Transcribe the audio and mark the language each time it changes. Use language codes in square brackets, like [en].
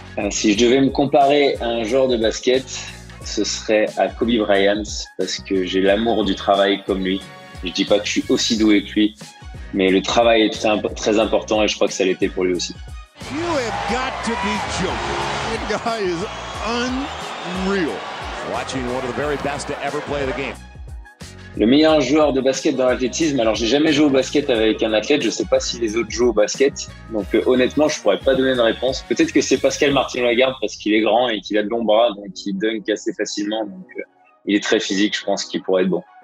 [fr] Si je devais me comparer à un joueur de basket, ce serait à Kobe Bryant, parce que j'ai l'amour du travail comme lui. Je dis pas que je suis aussi doué que lui, mais le travail est très, très important et je crois que ça l'était pour lui aussi. [en] You have got to be joking. That guy is unreal. Watching one of the very best to ever play the game. [fr] Le meilleur joueur de basket dans l'athlétisme, alors j'ai jamais joué au basket avec un athlète, je sais pas si les autres jouent au basket, donc honnêtement je pourrais pas donner de réponse. Peut-être que c'est Pascal Martin Lagarde parce qu'il est grand et qu'il a de longs bras, donc il dunk assez facilement, donc il est très physique, je pense qu'il pourrait être bon.